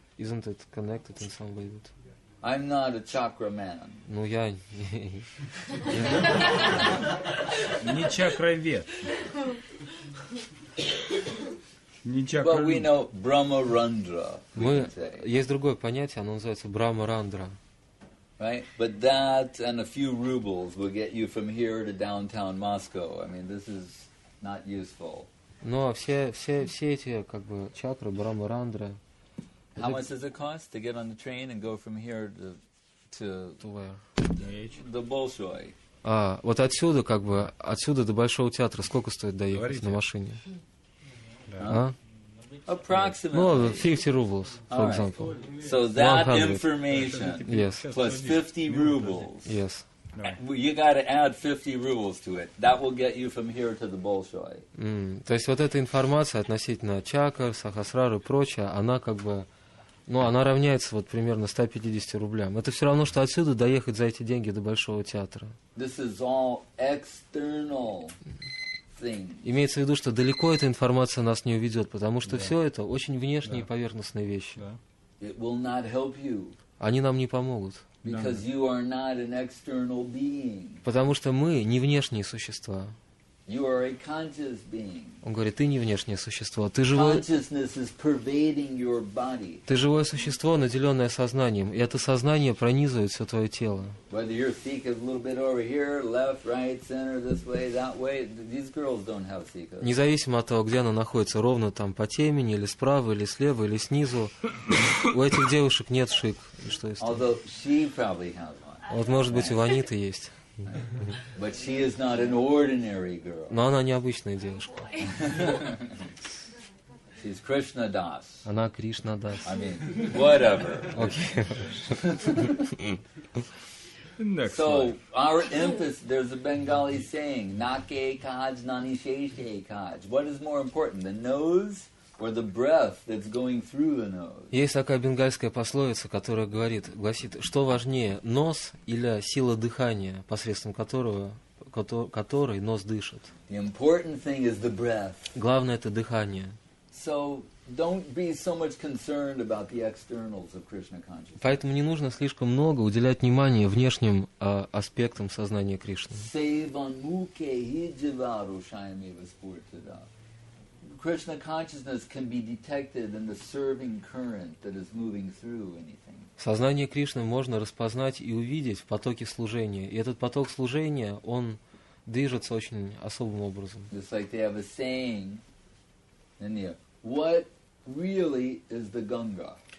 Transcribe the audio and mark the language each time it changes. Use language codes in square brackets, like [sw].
[en] Isn't it connected in some way? I'm not a chakra man. [ru] Ну, я не чакровед. [en] But we know Brahmarandra, we can say. [ru] Есть другое понятие, оно называется Брахмарандра. [en] Right? But that and a few rubles will get you from here to downtown Moscow. I mean, this is not useful. [ru] Но все эти как бы чакры, Брахмарандра. [en] How much does it cost to get on the train and go from here to where? The Bolshoi. [ru] Вот отсюда как бы отсюда до Большого театра сколько стоит доехать? Говорите. На машине? Да. [en] Approximately. Well, 50 rubles, for right. example. So that 100. Information yes. plus 50 rubles. Yes. You got to add 50 rubles to it. That will get you from here to the Bolshoi. [ru] То есть вот эта информация относительно чакр, сахасрары и прочее, она как бы, ну, она равняется вот примерно 150 рублям. Это все равно, что отсюда доехать за эти деньги до Большого театра. [en] This is all external. [ru] Имеется в виду, что далеко эта информация нас не уведет, потому что все это очень внешние и поверхностные вещи. [en] It will not help you. [ru] Они нам не помогут. [en] Because you are not an external being. [ru] Потому что мы не внешние существа. [en] You are a conscious being. [ru] Он говорит, ты не внешнее существо. Ты живое... [en] Consciousness is pervading your body. [ru] Ты живое существо, наделенное сознанием, и это сознание пронизывает все твое тело. [en] Whether your sikha is a little bit over here, left, right, center, this way, that way, these girls don't have sikha. [ru] Независимо от того, где она находится, ровно там по темени, или справа, или слева, или снизу, у этих девушек нет шик. Что есть? [en] Although she probably has one. [ru] Вот, может быть, у Ваниты есть. [en] But she is not an ordinary girl. [ru] Но она необычная девушка. [en] She's Krishna Das. [ru] Она Кришна Дас. [en] I mean, whatever. Okay. Next so slide. Our emphasis, there's a Bengali saying, [bn] Nake Kaj Nani Sheshe Kaj. [en] What is more important, the nose or the breath that's going through the nose? [ru] Есть такая бенгальская пословица, которая говорит, гласит, что важнее, нос или сила дыхания, посредством которого, который нос дышит? [en] The important thing is the breath. [ru] Главное — это дыхание. [en] So don't be so much concerned about the externals of Krishna consciousness. [ru] Поэтому не нужно слишком много уделять внимание внешним аспектам сознания Кришны. [sa] Sevan mukhe hi jivaru shayameva spurtada. [en] Krishna consciousness can be detected in the serving current that is moving through anything. [ru] Сознание Кришны можно распознать и увидеть в потоке служения. И этот поток служения, он движется очень особым образом. [en] It's like they have a saying in India. What really is the Ganga?